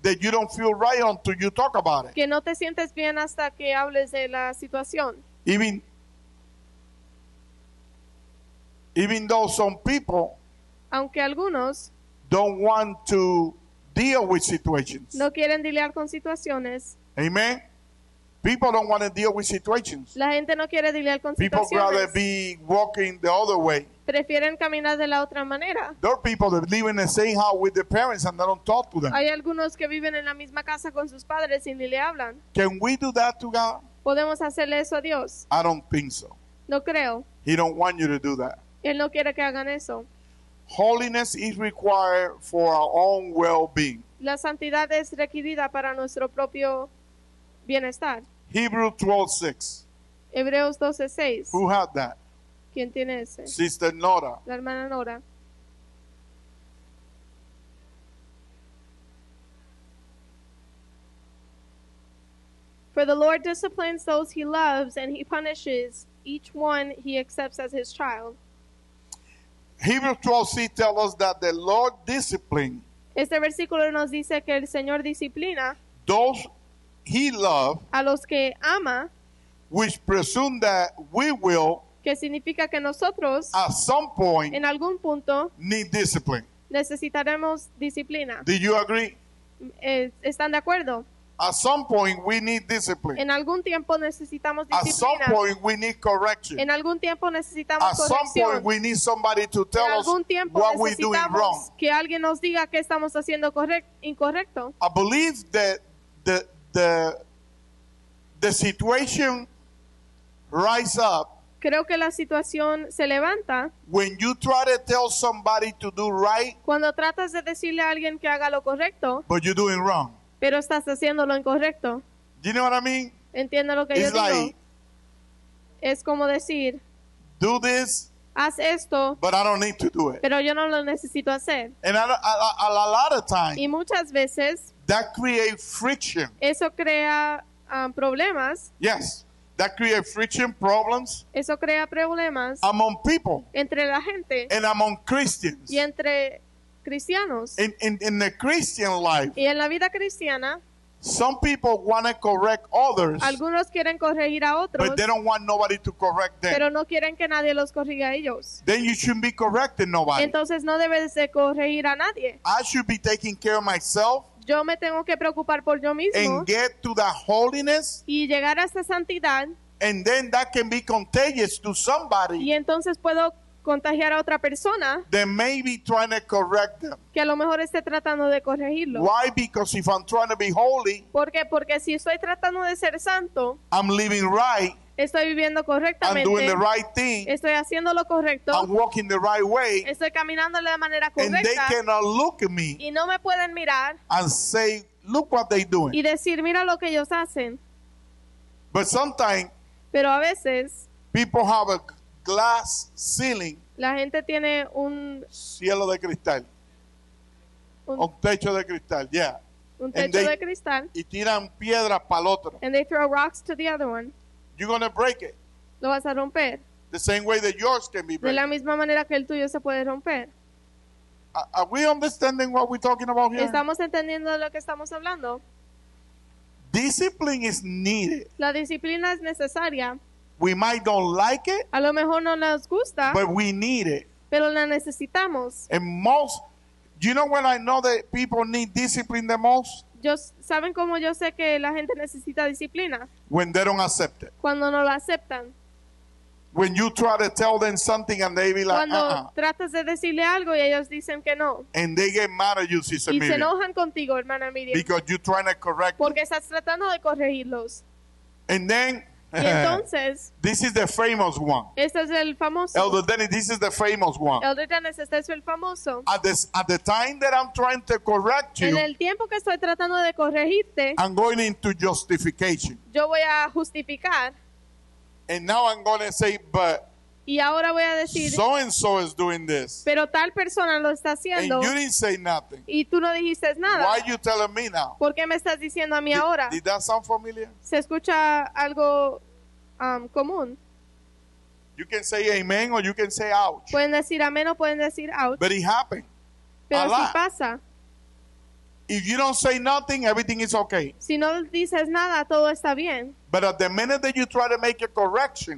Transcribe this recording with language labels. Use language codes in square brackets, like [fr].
[en] that you don't feel right until you talk about it. [es] Que no te sientes bien hasta que hables de la situación. [en] Even though some people [es] aunque algunos [en] don't want to deal with situations. [es] No quieren lidiar con situaciones. [en] Amen. People don't want to deal with situations. [es] La gente no quiere lidiar con situaciones. [en] People rather be walking the other way. [es] Prefieren caminar de la otra manera. [en] There are people that live in the same house with their parents and they don't talk to them. [es] Hay algunos que viven en la misma casa con sus padres y ni le hablan. [en] Can we do that to God? [es] ¿Podemos hacerle eso a Dios? [en] I don't think so. [es] No creo. [en] He don't want you to do that. [es] Él no quiere que hagan eso. [en] Holiness is required for our own well-being. [es] La santidad es requerida para nuestro propio bienestar. [en] Hebrews 12:6. [es] Hebreos 12:6. [en] Who had that? [es] ¿Quién tiene ese? [en] Sister Nora. [es] La hermana Nora. [en] For the Lord disciplines those he loves and he punishes each one he accepts as his child. Hebrews 12:6 tells us that the Lord disciplines. [es] Este versículo nos dice que el Señor disciplina. [en] Those he loves. [es] A los que ama. [en] Which presume that we will. [es] Que significa que nosotros. [en] At some point. [es] En algún punto. [en] Need discipline. [es] Necesitaremos disciplina. [en] Do you agree? [es] ¿Están de acuerdo? [en] At some point we need discipline. [es] En algún tiempo necesitamos disciplina. [en] At some point we need correction. [es] En algún tiempo necesitamos [en] at [es] corrección. [en] Some point we need somebody to tell [es] en algún tiempo [en] us [es] necesitamos [en] what we're doing wrong. [es] Que alguien nos diga qué estamos haciendo incorrecto. [en] I believe that the situation rises up. [es] Creo que la situación se levanta. [en] When you try to tell somebody to do right. [es] Cuando tratas de decirle a alguien que haga lo correcto. [en] But you're doing wrong. [es] Pero estás haciendo lo incorrecto. [en] You know what I mean? [es] Entiendo lo que [en] it's [es] yo [en] like, [es] digo. Es como decir. [en] Do this. [es] Haz esto. [en] But I don't need to do it. [es] Pero yo no lo necesito hacer. [en] And a lot of times. [es] Y muchas veces. [en] That creates friction. [es] Eso crea problemas. [en] Yes. That creates friction, problems. [es] Eso crea problemas. [en] Among people. [es] Entre la gente. [en] And among Christians. [es] Y entre cristianos. [en] In the Christian life. [es] Y en la vida cristiana. [en] Some people want to correct others. [es] Algunos quieren corregir a otros. [en] But they don't want nobody to correct them. [es] Pero no quieren que nadie los corrija a ellos. [en] Then you shouldn't be correcting nobody. [es] Entonces no debes de corregir a nadie. [en] I should be taking care of myself. [es] Yo me tengo que preocupar por yo mismo. [en] And get to that holiness. [es] Y llegar a esa santidad. [en] And then that can be contagious to somebody. [es] Y entonces puedo contagiar a otra persona. [en] Then maybe trying to correct them. [es] Que a lo mejor esté tratando de corregirlo. [en] Why? Because if I'm trying to be holy. [es] ¿Por qué? Porque si estoy tratando de ser santo. [en] I'm living right. [es] Estoy viviendo correctamente. [en] I'm doing the right thing. [es] Estoy haciendo lo correcto. [en] I'm walking the right way. [es] Estoy caminando de la manera correcta. [en] And they cannot look at me. [es] Y no me pueden mirar. [en] And say, look what they're doing. [es] Y decir, mira lo que ellos hacen. [en] But sometimes. [es] Pero a veces. [en] People have a glass ceiling. [es] La gente tiene un cielo de cristal. Un techo de cristal, yeah. Un techo [en] and they, [es] de cristal. Y tiran piedras para el otro. [en] And they throw rocks to the other one. You're going to break it. [es] Lo vas a romper. [en] The same way that yours can be broken. [es] De la misma manera que el tuyo se puede romper. [en] Are we understanding what we're talking about here? [es] ¿Estamos entendiendo lo que estamos hablando? [en] Discipline is needed. [es] La disciplina es necesaria. [en] We might don't like it. [es] A lo mejor no nos gusta. [en] But we need it. [es] Pero la necesitamos. [en] And most, you know when I know that people need discipline the most? [es] ¿Saben cómo yo sé que la gente necesita disciplina? [en] When they don't accept it. [es] Cuando no lo aceptan. [en] When you try to tell them something and they be like, [es] cuando tratas de decirle algo y ellos dicen que no. [en] And they get mad at you, sister [es] y [en] Miriam. [es] Y se enojan contigo, hermana Miriam. [en] Because you're trying to correct [es] porque [en] them. [es] Estás tratando de corregirlos. [en] And then, [es] entonces, [en] this is the famous one. [es] Este es el famoso. [en] Elder Dennis, this is the famous one. [es] Elder Dennis, este es el famoso. [en] At the time that I'm trying to correct you, [es] en el tiempo que estoy tratando de corregirte, [en] I'm going into justification. [es] Yo voy a justificar. [en] And now I'm going to say, but. [es] Y ahora voy a decir. [en] So and so is doing this. [es] Pero tal persona lo está haciendo. [en] And you didn't say nothing. [es] Y tú no dijiste nada. [en] Why are you telling me now? [es] ¿Por qué me estás diciendo a mí ahora? [en] Did that sound familiar? [es] ¿Se escucha algo común? [en] You can say amen or you can say ouch. [es] Pueden decir amén o pueden decir ouch. [en] But it happened. [es] Pero sí pasa. [en] If you don't say nothing, everything is okay. [es] Si no dices nada, todo está bien. [en] But at the minute that you try to make a correction,